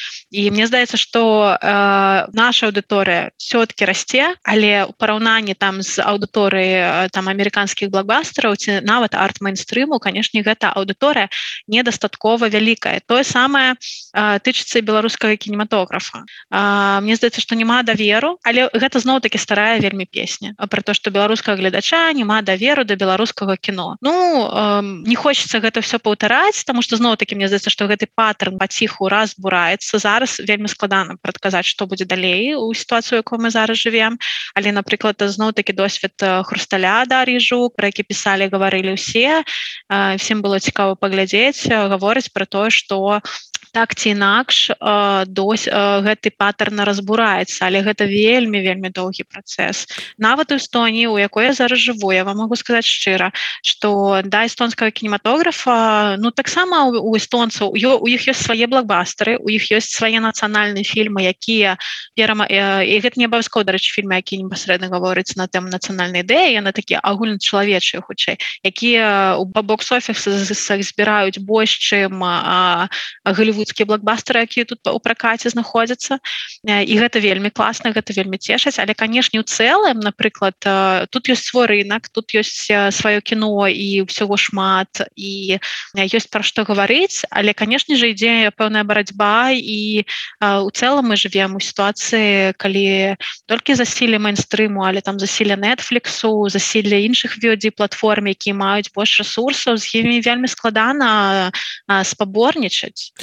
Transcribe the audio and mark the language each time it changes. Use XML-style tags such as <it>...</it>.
<be>І мне здаецца, што наша аўдыторыя всё-таки расце, але ў параўнанні там з аўдыторыяй там амерыканскіх блокбастараў ці нават арт-мейнстрыму, канешне, гэта аўдыторыя недастаткова вялікая. Тое самае тычыцца беларускага кінематографа. Мне здаецца, што няма даверу, але гэта зноў-такі старая вельмі песня.</be> <ru>Про то, что белорусского глядача нема доверу до белорусского кино. Ну, не хочется это все повторять, потому что, снова-таки, мне кажется, что этот паттерн потиху разбурается. Зараз вельми складано предсказать, что будет далее у ситуации, в которой мы зараз живем. Але, например, это, снова-таки, досвід Хрусталя Дарьи Жук, про який писали, говорили все. Всем было цікаво поглядеть, говорить про то, что так ці інакш</ru> <be>гэты паттерн разбураецца, але гэта вельмі-вельмі доўгі працэс. Нават у Эстоніі, у якой я зараз жыву, я вам магу сказаць шчыра, што да эстонскага кінематографа, ну таксама у эстонцаў, у іх ёсць свае блокбастеры, у іх ёсць свае нацыянальныя фільмы, якія і гэта не абавязкова, дарэчы, фільмы, якія непасрэдна гаворыцца на тэму нацыянальнай ідэі, яны такія агульначалавечыя хутчэй, якія ў бокс-офісах збіраюць больш, чым</be> <ru>голливудские блокбастеры, которые тут у прокате находятся. И это вельми классно, это вельми тешить. Але, конечно, в целом, например, тут есть свой рынок, тут есть свое кино и всего шмат, и есть про что говорить. Але, конечно же, идея полная борьба. И в целом мы живем в ситуации, когда только засилие мейнстриму, але там засилие Netflix, засилие інших VOD-платформ, которые имеют больше ресурсов, с ними вельми складано споборничать.</ru>